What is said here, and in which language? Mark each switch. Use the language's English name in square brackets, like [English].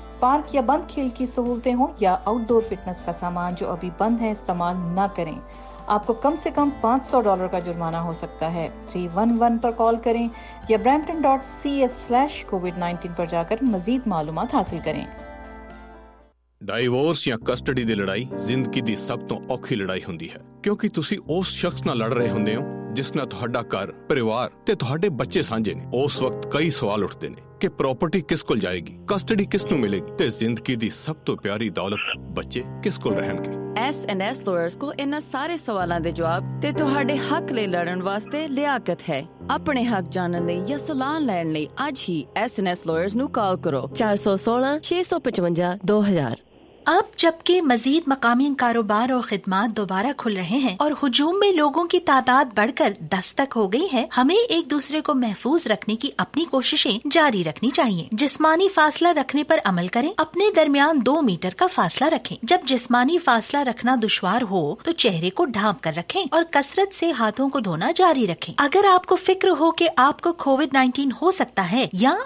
[Urdu] Park یا بند کھیل کی سہولتیں ہوں یا آؤٹ ڈور فٹنس کا سامان جو ابھی بند ہے استعمال نہ کریں. آپ کو کم سے کم $500 کا جرمانہ ہو سکتا ہے. 311 پر کال کریں یا brampton.ca/covid19 پر جا کر مزید معلومات حاصل کریں. [Punjabi] ਡਾਈਵੋਰਸ ਜਾਂ ਕਸਟਡੀ ਦੀ ਲੜਾਈ ਜ਼ਿੰਦਗੀ ਦੀ ਸਭ ਤੋਂ ਔਖੀ ਲੜਾਈ ਹੁੰਦੀ ਹੈ, ਕਿਉਂਕਿ ਤੁਸੀਂ ਉਸ ਸ਼ਖਸ ਨਾਲ ਲੜ ਰਹੇ ਹੁੰਦੇ ਹੋ ਜਿਸ ਨਾਲ ਤੁਹਾਡਾ ਘਰ, ਪਰਿਵਾਰ ਤੇ ਤੁਹਾਡੇ ਬੱਚੇ ਸਾਂਝੇ ਨੇ। ਉਸ ਵਕਤ ਕਈ ਸਵਾਲ ਉੱਠਦੇ ਨੇ ਕਿ ਪ੍ਰਾਪਰਟੀ ਕਿਸ ਕੋਲ ਜਾਏਗੀ, ਕਸਟਡੀ ਕਿਸ ਨੂੰ ਮਿਲੇਗੀ ਤੇ ਜ਼ਿੰਦਗੀ ਦੀ ਸਭ ਤੋਂ ਪਿਆਰੀ ਦੌਲਤ ਬੱਚੇ ਕਿਸ ਕੋਲ ਰਹਿਣਗੇ। S&S Lawyers ਕੋਲ ਇਹਨਾਂ ਸਾਰੇ ਸਵਾਲਾਂ ਦੇ ਜਵਾਬ ਤੇ ਤੁਹਾਡੇ ਹੱਕ ਲਈ ਲੜਨ ਵਾਸਤੇ ਲਿਆਕਤ ਹੈ। ਆਪਣੇ ਹੱਕ ਜਾਣਨ ਲਈ ਜਾਂ ਸਲਾਹ ਲੈਣ ਲਈ ਅੱਜ ਹੀ S&S Lawyers ਨੂੰ ਕਾਲ ਕਰੋ 416-655-2000। [Urdu] اب جبکہ مزید مقامی کاروبار اور خدمات دوبارہ کھل رہے ہیں اور ہجوم میں لوگوں کی تعداد بڑھ کر 10 ہو گئی ہے، ہمیں ایک دوسرے کو محفوظ رکھنے کی اپنی کوششیں جاری رکھنی چاہیے۔ جسمانی فاصلہ رکھنے پر عمل کریں، اپنے درمیان 2 کا فاصلہ رکھیں۔ جب جسمانی فاصلہ رکھنا دشوار ہو تو چہرے کو ڈھانپ کر رکھیں اور کثرت سے ہاتھوں کو دھونا جاری رکھیں۔ اگر آپ کو فکر ہو کہ آپ کو COVID-19 ہو سکتا ہے یا